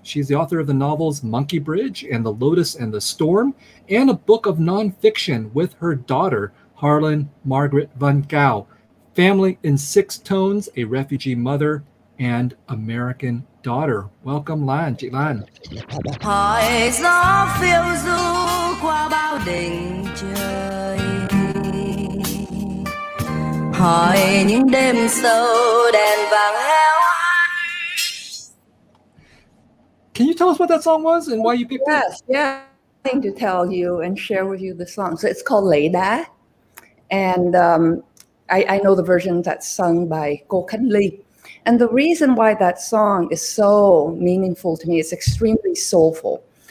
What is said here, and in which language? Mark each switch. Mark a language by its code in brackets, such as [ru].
[en] She's the author of the novels Monkey Bridge and The Lotus and the Storm, and a book of nonfiction with her daughter, Harlan Margaret Van Cao, Family in Six Tones, A Refugee Mother and American Daughter. Welcome, Lan. Chị Lan. [vi] Hỏi gió phiêu du qua bao đỉnh trời, hỏi những đêm sâu đèn vàng heo. [en] Can you tell us what that song was and why you picked it? Yes, yeah. I think to tell you and share with you the song. So it's called Lấy Đá. And I know the version that's sung by Cô Khánh Ly. And the reason why that song is so meaningful to me, it's extremely soulful.